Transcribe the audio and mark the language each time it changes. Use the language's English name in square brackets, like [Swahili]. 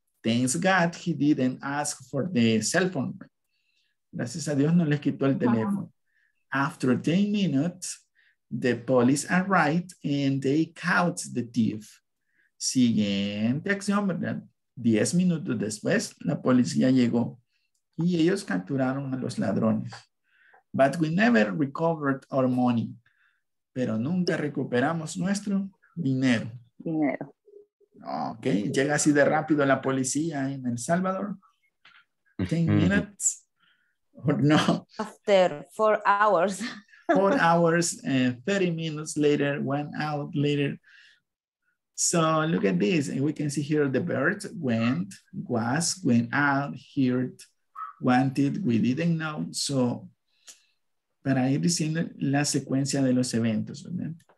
[English] Thanks God he didn't ask for the cell phone. [Spanish] Gracias a Dios no les quitó el teléfono. Uh-huh. [English] After 10 minutes, the police arrived and they caught the thief. [Spanish] Siguiente acción, ¿verdad? 10 minutos después, la policía llegó y ellos capturaron a los ladrones. [English] But we never recovered our money. [Spanish] Pero nunca recuperamos nuestro dinero. Dinero. Ok, llega así de rápido la policía en El Salvador. [English] 10 minutes. Or no. After 4 hours. 4 hours, 30 minutes later, 1 hour later. So look at this, and we can see here the bird went, was, went out, heard, wanted, we didn't know. [Spanish] So, para ir diciendo la secuencia de los eventos, ¿verdad?